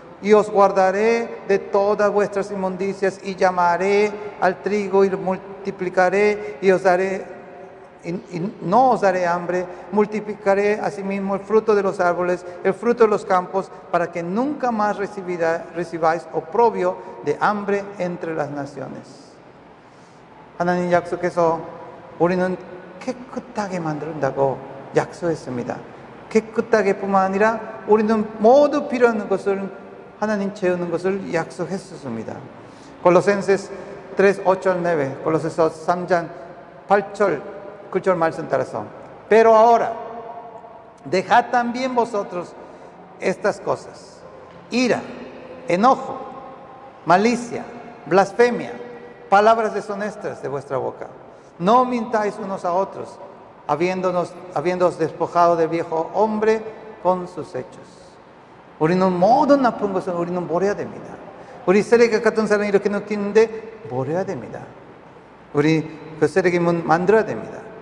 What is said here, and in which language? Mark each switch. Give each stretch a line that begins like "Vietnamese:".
Spanish: Y os guardaré de todas vuestras inmundicias y llamaré al trigo y lo multiplicaré y os daré y no os daré hambre, multiplicaré asimismo el fruto de los árboles, el fruto de los campos, para que nunca más recibáis oprobio de hambre entre las naciones.
Korean: 하나님 약속해서 우리는 깨끗하게 만든다고 약속했습니다. 깨끗하게뿐만 아니라 우리는 모두 필요한 것을 하나님 채우는 것을 약속했었습니다. Colosenses 3, 8, 9. Colosenses 3장 8절, 9절 말씀 따라서.
Spanish: Pero ahora, dejad también vosotros estas cosas. Ira, enojo, malicia, blasfemia, palabras deshonestas de vuestra boca. No mintáis unos a otros, habiéndoos despojado del viejo hombre con sus hechos.
Korean: 우리는 모든 나쁜 것은 우리는 뭘 해야 됩니다. 우리 쓰레기 같은 사람이 이렇게 느끼는데 뭘 해야 됩니다. 우리 그 쓰레기문 만들어야 됩니다.